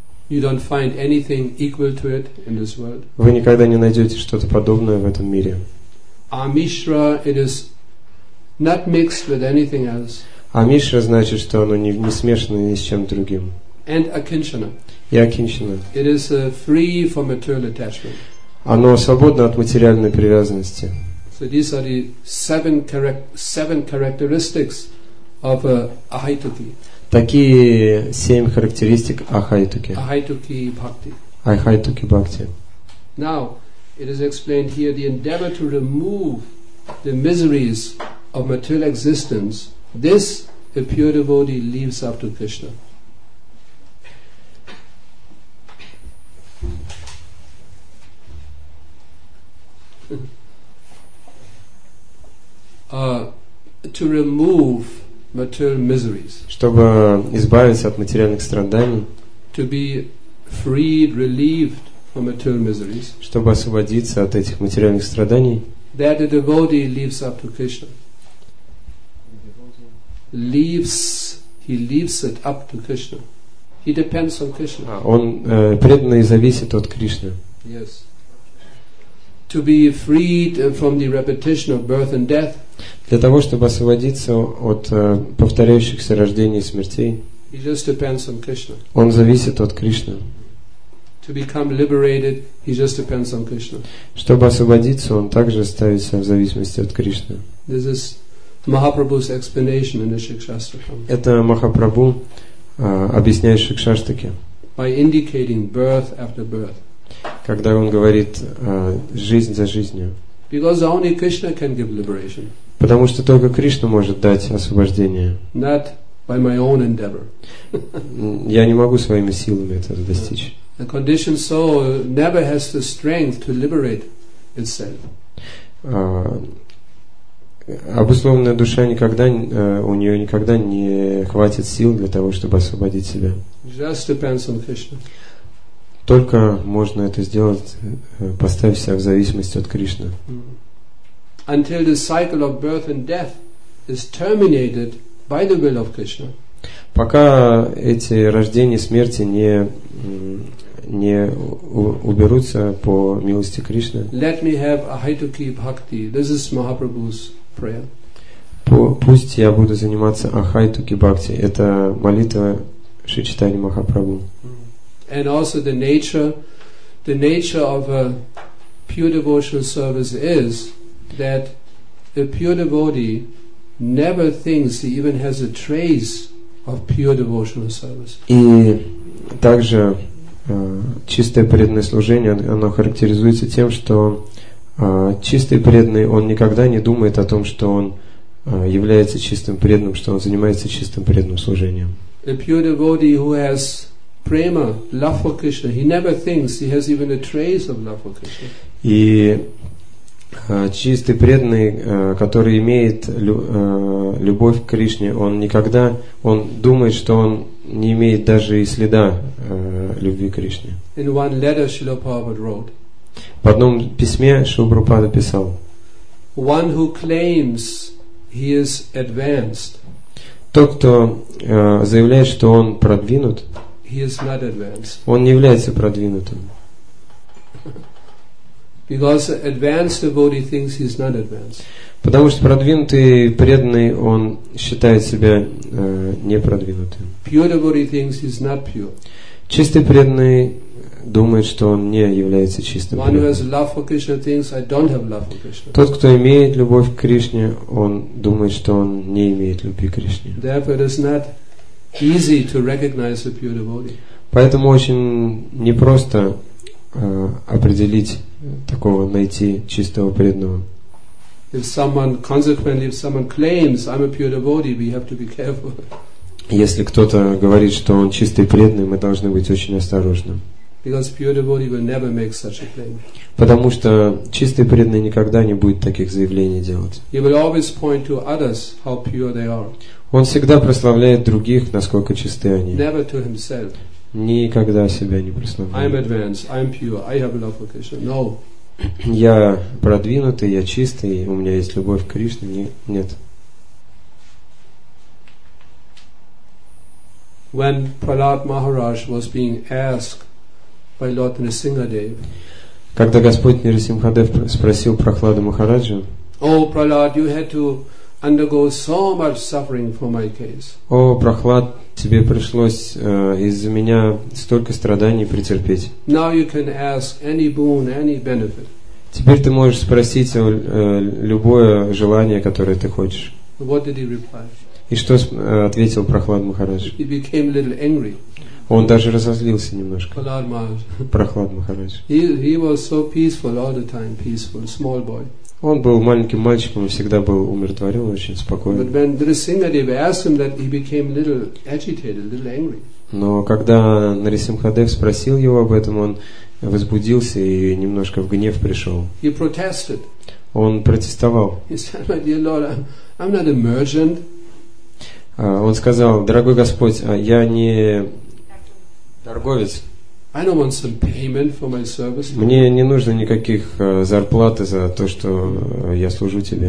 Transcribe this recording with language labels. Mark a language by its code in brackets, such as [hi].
[en] You don't find anything equal to it in this world. [ru] Вы никогда не найдете что-то подобное в этом мире. [en] Амишра, it is not mixed with anything else. [ru] Амишра значит, что оно не смешано ни с чем другим. [en] And акиншана. [ru] И акиншана. [en] It is free from material attachment. [ru] Оно свободно от материальной привязанности. [en] So these are the seven characteristics of ахайтуки. [ru] Такие семь характеристик ахайтуки. Ахайтуки бхакти. Ахайтуки бхакти. [en] Now it is explained here the endeavor to remove the miseries of material existence. This a pure devotee leaves up to Krishna. To remove material miseries. [ru] Чтобы избавиться от материальных страданий. [en] To be freed, relieved from material miseries. [ru] Чтобы освободиться от этих материальных страданий. [en] That a devotee leaves up to Krishna. He leaves it up to Krishna. He depends on Krishna. [ru] Он преданный зависит от Кришны. [en] Yes. To be freed from the repetition of birth and death. [ru] Для того чтобы освободиться от повторяющихся рождений и смертей. [en] He just depends on Krishna. [ru] Он зависит от Кришны. [en] To become liberated, he just depends on Krishna. [ru] Чтобы освободиться, он также ставится в зависимости от Кришны. [en] This is Mahaprabhu's explanation in the Shikshastakam. [ru] Это Махапрабху объясняет Шикшаштаке. [en] By indicating birth after birth. [ru] Когда он говорит жизнь за жизнью. [en] Because only Krishna can give liberation. [ru] Потому что только Кришна может дать освобождение. [en] Not by my own endeavor. [ru] Я не могу своими силами этого достичь. [en] A conditioned soul never has the strength to liberate itself. [ru] Обусловленная душа никогда, у нее никогда не хватит сил для того, чтобы освободить себя. [en] Just depends on Krishna. [ru] Только можно это сделать, поставив себя в зависимости от Кришны. [en] Until the cycle of birth and death is terminated by the will of Krishna. [ru] Пока эти рождения и смерти не уберутся по милости Кришны. [en] Let me have ahituki bhakti. This is Mahaprabhu's. [ru] Пусть я буду заниматься ахайтуки бхакти. Это молитва Шри Чайтанья Махапрабху. [en] And also the nature of a pure devotional service is that a pure devotee never thinks he even has a trace of pure devotional service. [ru] И также чистое преданное служение, оно характеризуется тем, что чистый преданный, он никогда не думает о том, что он является чистым преданным, что он занимается чистым преданным служением. [en] A pure devotee who has prema, love for Krishna, he never thinks he has even a trace of love for Krishna. [ru] И чистый преданный, который имеет любовь к Кришне, он никогда, он думает, что он не имеет даже и следа любви к Кришне. [en] In one letter Srila Prabhupada wrote, [ru] в одном письме Шрила Прабхупада писал, [en] one who claims he is advanced, [ru] тот, кто заявляет, что он продвинут, [en] he is not advanced. [ru] Он не является продвинутым. [en] Because advanced devotee thinks he is not advanced. [ru] Потому что продвинутый преданный, он считает себя непродвинутым. [en] Pure devotee thinks he is not pure. [ru] Чистый преданный думает, что он не является чистым преданным. [en] One who has love for Krishna thinks I don't have love for Krishna. [ru] Тот, кто имеет любовь к Кришне, он думает, что он не имеет любви к Кришне. [en] Therefore it is not easy to recognize a pure devotee. [ru] Поэтому очень непросто определить такого, найти чистого преданного. [en] If someone consequently, if someone claims I'm a pure devotee, we have to be careful. [ru] Если кто-то говорит, что он чистый преданный, мы должны быть очень осторожны. [en] Because pure devotee will never make such a claim. [ru] Потому что чистый преданный никогда не будет таких заявлений делать. [en] He will always point to others how pure they are. [ru] Он всегда прославляет других, насколько чисты они. [en] Never to himself. [ru] Никогда себя не прославляет. [en] I'm advanced, I'm pure, I have love for Krishna. No. [ru] Я продвинутый, я чистый, у меня есть любовь к Кришне. Нет. [en] When Prahlad Maharaj was being asked by Lord Nrisimhadev, [ru] когда Господь Нрисимхадев спросил Прахлада Махараджа, [en] oh, Prahlad, you had to undergo so much suffering for my case. [ru] О, Прохлад, тебе пришлось из-за меня столько страданий претерпеть. [en] Now you can ask any boon, any benefit. [ru] Теперь ты можешь спросить любое желание, которое ты хочешь. [en] What did he reply? [ru] И что ответил Прохлад Махарадж? [en] He became a little angry. [ru] Он даже разозлился немножко. Прохлад Махарадж. [en] He was so peaceful all the time, peaceful, small boy. [ru] Он был маленьким мальчиком, он всегда был умиротворен, очень спокойным. [en] But when Нарисимхадев asked him that, he became a little agitated, a little angry. [ru] Но когда Нарисимхадев спросил его об этом, он возбудился и немножко в гнев пришел. [en] He protested. [ru] Он протестовал. [en] He said, "My dear Lord, I'm not a merchant." [ru] Он сказал: "Дорогой Господь, я не торговец. [en] I don't want some payment for my service." [ru] Мне не нужно никаких зарплаты за то, что я служу тебе.